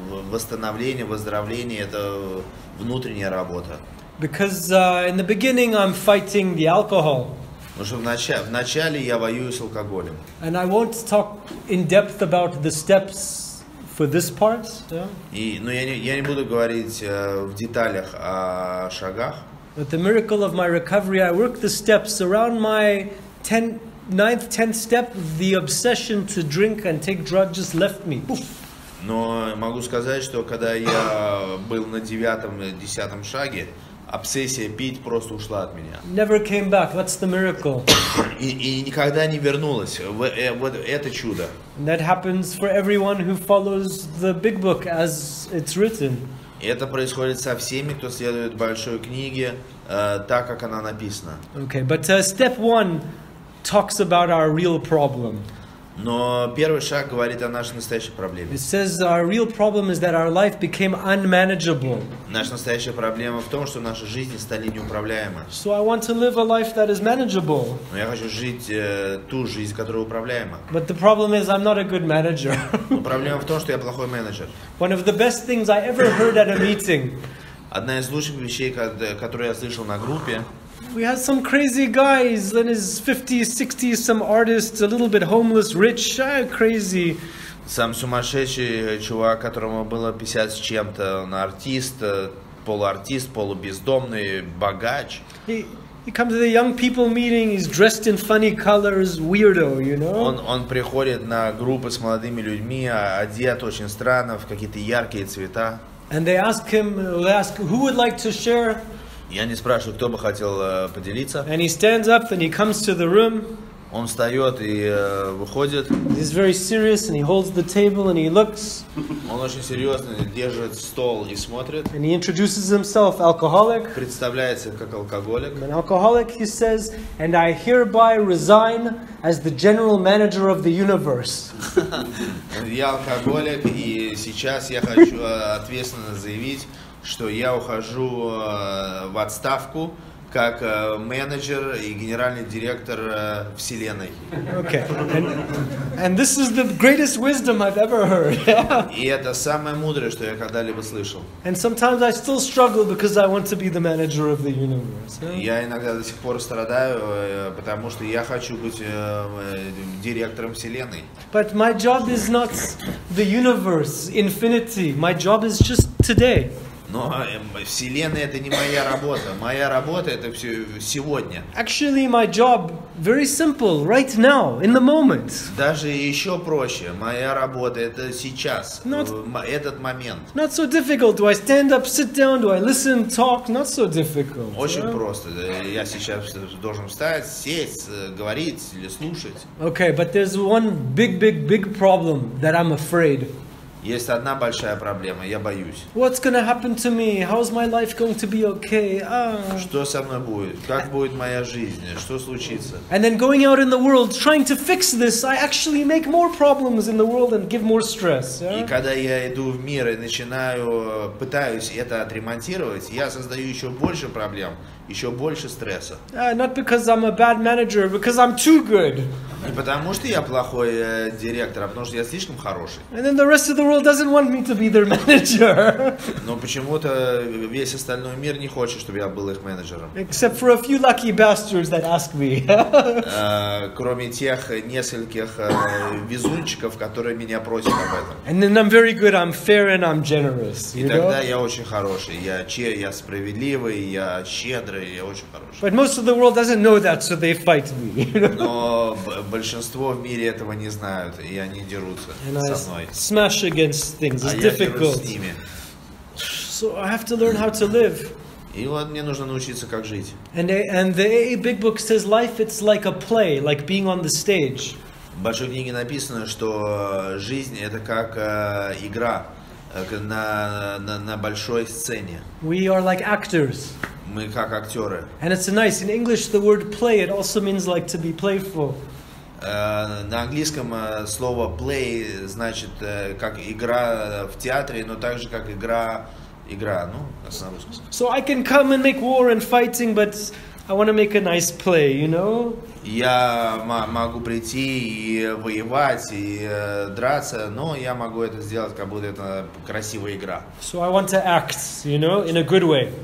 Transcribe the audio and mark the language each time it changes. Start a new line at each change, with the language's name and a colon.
Russian: Восстановление, выздоровление — это внутренняя работа.
English: Because in the beginning I'm fighting the alcohol.
Russian: Вначале я воюю с алкоголем.
English: And I won't talk in depth about the steps for this part.
Russian: Я не буду говорить в деталях о шагах.
English: But the miracle of my recovery, I work the steps around my ninth, tenth step. The obsession to drink and take drugs just left me. Poof.
Russian: Но могу сказать, что когда я был на девятом, десятом шаге, обсессия пить просто ушла от меня.
English: Never came back. That's the miracle.
Russian: И никогда не вернулась. Вот это чудо.
English: And that happens for everyone who follows the big book as it's written.
Russian: Это происходит со всеми, кто следует большой книге, так как она написана.
English: Okay, but step one talks about our real problem.
Russian: Но первый шаг говорит о нашей настоящей проблеме.
English: It says our real problem is that our life became unmanageable.
Russian: Наша настоящая проблема в том, что наши жизни стали неуправляемы.
English: So I want to live a life that is manageable.
Russian: Но я хочу жить ту жизнь, которая управляема.
English: But the problem is I'm not a good manager.
Russian: Но проблема в том, что я плохой менеджер.
English: One of the best things I ever heard at a meeting.
Russian: Одна из лучших вещей, которые я слышал на группе.
English: We had some crazy guys in his 50s, 60s, some artists, a little bit homeless, rich, crazy.
Russian: Сам сумасшедший чувак, которому было 50 с чем-то, он артист, полубездомный, богач.
English: He comes to the young people meeting, he's dressed in funny colors, weirdo, you know?
Russian: Он приходит на группы с молодыми людьми, одет очень странно, в какие-то яркие цвета.
English: And they ask him, they ask, who would like to share?
Russian: Я не спрашиваю, кто бы хотел поделиться.
English: And he stands up and he comes to the room.
Russian: Он встает и выходит.
English: He's very serious and he holds the table and he looks.
Russian: Он очень серьезный, держит стол и смотрит.
English: And he introduces himself, alcoholic.
Russian: Представляется как алкоголик.
English: An alcoholic, he says, and I hereby resign as the general manager of the universe.
Russian: Я алкоголик, и сейчас я хочу ответственно заявить, что я ухожу в отставку как менеджер и генеральный директор вселенной.
English: Okay. And this is the greatest wisdom I've ever heard.
Russian: И это самое мудрое, что я когда-либо слышал.
English: And sometimes I still struggle because I want to be the manager of the universe.
Russian: Я иногда до сих пор страдаю, потому что я хочу быть директором вселенной.
English: But my job is not the universe, infinity. My job is just today.
Russian: Но вселенная — это не моя работа. Моя работа — это все сегодня.
English: Actually, my job very simple, right now, in the moment.
Russian: Даже еще проще. Моя работа — это сейчас, этот момент.
English: Not so difficult. Do I stand up, sit down? Do I listen, talk? Not so difficult.
Russian: Очень просто. Я сейчас должен встать, сесть, говорить или слушать.
English: Okay, but there's one big, big, big problem that I'm afraid.
Russian: Есть одна большая проблема, я боюсь.
English: What's gonna happen to me? How's my life going to be okay?
Russian: Что со мной будет? Как будет моя жизнь? Что случится?
English: And then going out in the world trying to fix this, I actually make more problems in the world and give more stress.
Russian: И когда я иду в мир и начинаю, пытаюсь это отремонтировать, я создаю еще больше проблем, еще больше стресса.
English: Not because I'm a bad manager, because I'm too good.
Russian: Не потому что я плохой директор, а потому что я слишком хороший.
English: And then the rest of the world doesn't want me to be their manager.
Russian: Но почему-то весь остальной мир не хочет, чтобы я был их менеджером.
English: Except for a few lucky bastards that ask me.
Russian: Кроме тех нескольких везунчиков, которые меня просят об этом.
English: And then I'm very good, I'm fair and I'm generous.
Russian: И тогда я очень хороший, я справедливый, я щедрый, я очень хороший.
English: But most of the world doesn't know that, so they fight me.
Russian: Но большинство в мире этого не знают, и они дерутся
English: and
Russian: со мной.
English: Smash against things. It's
Russian: а
English: difficult.
Russian: Я дерусь с ними.
English: So I have to learn how to live.
Russian: И вот мне нужно научиться, как жить.
English: And the AA Big Book says life, it's like a play, like being on the stage.
Russian: В большой книге написано, что жизнь — это как игра на большой сцене.
English: We are like actors.
Russian: Мы как актеры.
English: And it's nice. In English, the word play, it also means like to be playful.
Russian: На английском слово play значит как игра в театре, но также как игра, ну, на русском.
English: So I can come and make war and fighting, but I want to make a nice play, you know?
Russian: Я могу прийти и воевать, и драться, но я могу это сделать, как будто это красивая игра.
English: So I want to act, you know, in a good way.